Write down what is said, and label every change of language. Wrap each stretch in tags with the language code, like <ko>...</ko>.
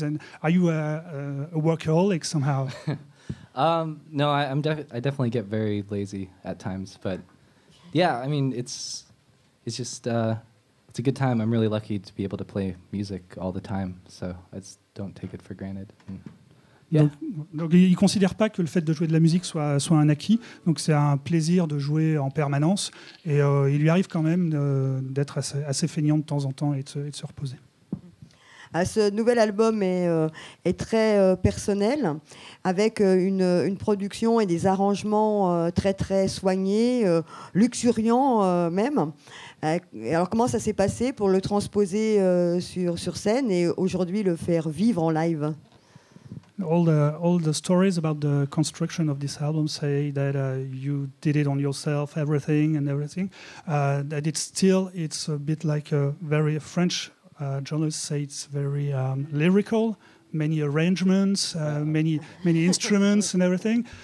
<en>And are you a workaholic somehow? I definitely get very lazy at times. But yeah, I mean, it's just... It's a good time. I'm really lucky to be able to play music all the time, so I just don't take it for granted. Yeah.</en> <fr>Donc, il ne considère pas que le fait de jouer de la musique soit un acquis, donc c'est un plaisir de jouer en permanence, et il lui arrive quand même d'être assez feignant de temps en temps et de se reposer. Ce nouvel album est très personnel, avec une production et des arrangements très très soignés, luxuriants même. Alors comment ça s'est passé pour le transposer sur scène et aujourd'hui le faire vivre en live?</fr> <en>All the stories about the construction of this album say that you did it on yourself, everything. That it's a bit like a very French. Journalists say it's very lyrical, many arrangements, many instruments and everything.</en>